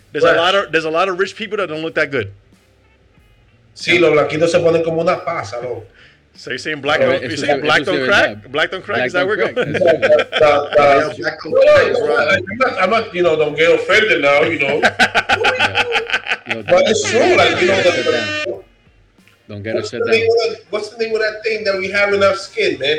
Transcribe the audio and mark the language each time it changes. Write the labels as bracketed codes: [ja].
[en] There's a lot of rich people that don't look that good. [es] Sí, los blanquitos se ponen como una pasa, bro. [en] So you're saying black don't crack? I'm not, don't get offended now, you know. But it's true, Don't get upset now. What's the name of that thing that we have in our skin, man?